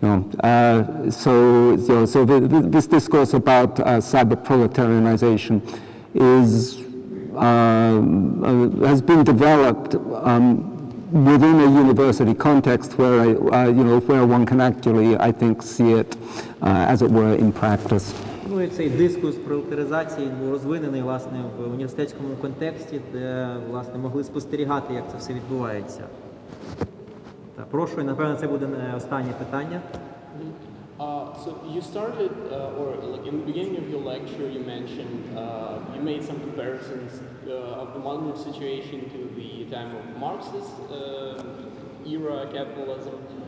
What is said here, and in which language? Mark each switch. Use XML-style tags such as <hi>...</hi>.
<en>This discourse about cyber proletarianization is has been developed within a university context where where one can actually, I think, see it as it were in practice.</en> <uk>Ну, і цей дискурс пролетаризації був розвинений власне в університетському контексті, де власне могли спостерігати, як це все відбувається. Та прошу, і напевно це буде останнє питання.</uk> <en>So you started, in the beginning of your lecture, you mentioned you made some comparisons of the modern situation to the time of Marxist era capitalism.</en>